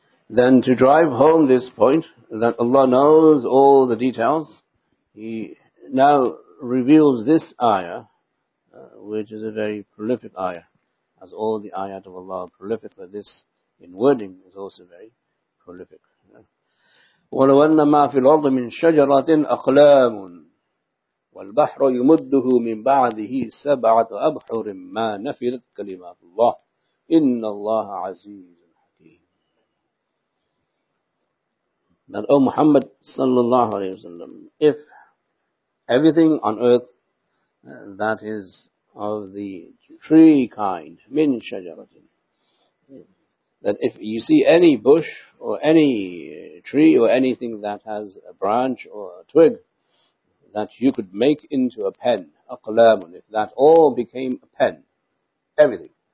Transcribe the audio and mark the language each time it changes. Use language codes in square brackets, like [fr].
[en] Then to drive home this point, that Allah knows all the details, He now reveals this ayah, which is a very prolific ayah. As all the ayat of Allah are prolific, but this in wording is also very prolific. [ar] وَلَوْ أَنَّ مَا فِي الْأَرْضِ مِنْ شَجَرَةٍ أَقْلَامٌ والبحر يمده من بعده سبعة أبحر ما نفذت كلمات الله إن الله عزيز حكيم. [en] That O Muhammad sallallahu alaihi wasallam, if everything on earth that is of the tree kind, [ar] min shajaratin, [en] that if you see any bush or any tree or anything that has a branch or a twig that you could make into a pen, a qalamun, if that all became a pen, everything